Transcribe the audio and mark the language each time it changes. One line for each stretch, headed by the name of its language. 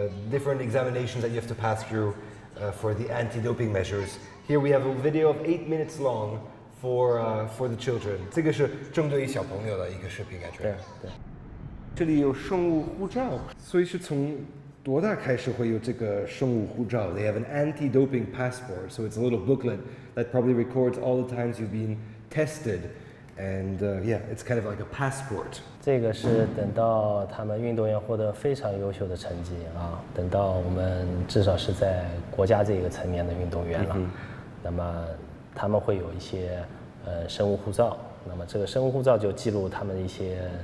English: Different examinations that you have to pass through for the anti-doping measures. Here we have a video of 8 minutes long for the children.
Chinese: 这个是针对于小朋友的一个视频，感觉。对。这里有生物护照，所以是从多大开始会有这个生物护照
English: ？They have an anti-doping passport, so it's a little booklet that probably records all the times you've been tested. It's kind of like a passport.
Chinese: 这个是等到他们运动员获得非常优秀的成绩啊，等到我们至少是在国家这个层面的运动员了，那么他们会有一些生物护照，那么这个生物护照就记录他们一些